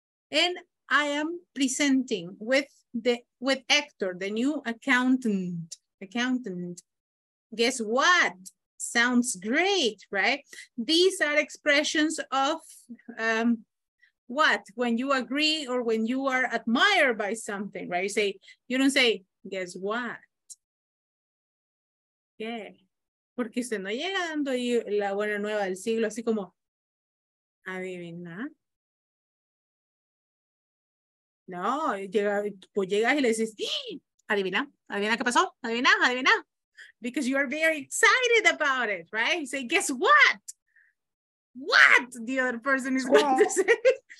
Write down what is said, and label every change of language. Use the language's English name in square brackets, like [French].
[English] And I am presenting with Hector, the new accountant. Guess what? Sounds great, right? These are expressions of when you agree or when you are admired by something, right? You say, you don't say, guess what? [Spanish] Porque usted no llega dando ahí la buena nueva del siglo, así como adivina. No, llega, pues llegas y le dices, adivina qué pasó, adivina. [English] Because you are very excited about it, right? You say, guess what? What the other person is going to say.